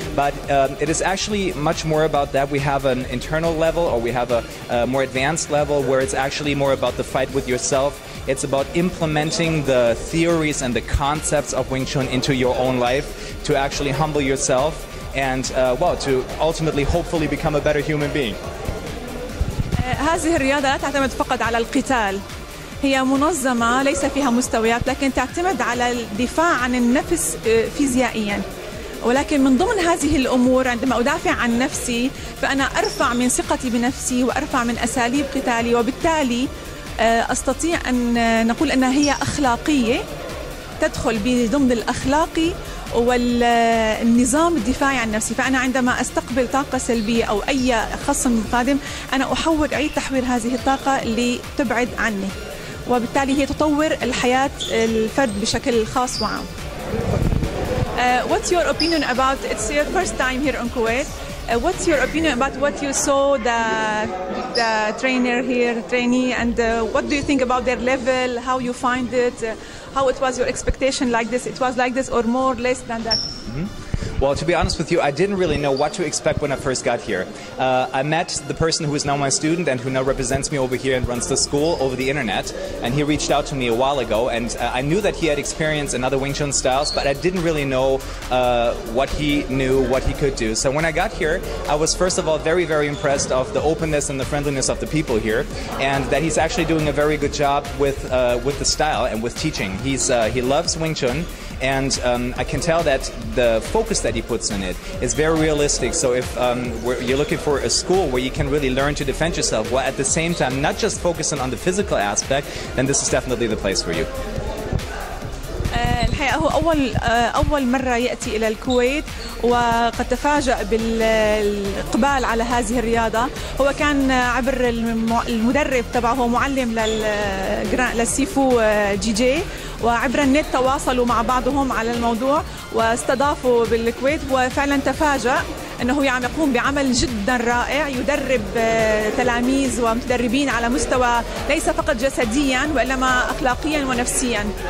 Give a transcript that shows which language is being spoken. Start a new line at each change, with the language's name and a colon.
English: But it is actually much more about that. We have an internal level, or we have a more advanced level, where it's actually more about the fight with yourself. It's about implementing the theories and the concepts of Wing Chun into your own life to actually humble yourself and to ultimately hopefully become a better human being.
Arabic: هذه الرياضة لا تعتمد فقط على القتال. هي منظمة ليس فيها مستويات، لكن تعتمد على الدفاع عن النفس فيزيائيا. ولكن من ضمن هذه الأمور، عندما أدافع عن نفسي، فأنا أرفع من ثقتي بنفسي وأرفع من أساليب قتالي، وبالتالي أستطيع أن نقول أنها هي أخلاقية، تدخل بضمن الأخلاقي والنظام الدفاعي عن نفسي. فأنا عندما أستقبل طاقة سلبية أو أي خصم قادم، أنا أحول أي تحويل هذه الطاقة لتبعد عني، وبالتالي هي تطور الحياة الفرد بشكل خاص وعام.
English: What's your opinion about, it's your first time here in Kuwait. What's your opinion about what you saw the trainer here, trainee, and what do you think about their level, how you find it, how it was your expectation, like this, it was like this or more, less than that? Mm-hmm. Well, to be honest with you, I didn't really know what to expect when I first got here. I met the person who is now my student and who now represents me over here and runs the school over the internet, and he reached out to me a while ago, and I knew that he had experience in other Wing Chun styles, but I didn't really know what he knew, what he could do. So when I got here, I was first of all very, very impressed of the openness and the friendliness of the people here, and that he's actually doing a very good job with the style and with teaching. He loves Wing Chun, and I can tell that the focus that he puts in it is very realistic. So if you're looking for a school where you can really learn to defend yourself while at the same time not just focusing on the physical aspect, then this is definitely the place for you.
Arabic: الحقيقة هو أول مرة يأتي إلى الكويت وقد تفاجأ بالإقبال على هذه الرياضة. هو كان عبر المدرب تبعه, هو معلم للسيفو جي جي, وعبر النت تواصلوا مع بعضهم على الموضوع واستضافوا بالكويت, وفعلا تفاجأ أنه عم يقوم بعمل جدا رائع, يدرب تلاميذ ومتدربين على مستوى ليس فقط جسديا وإنما أخلاقيا ونفسيا.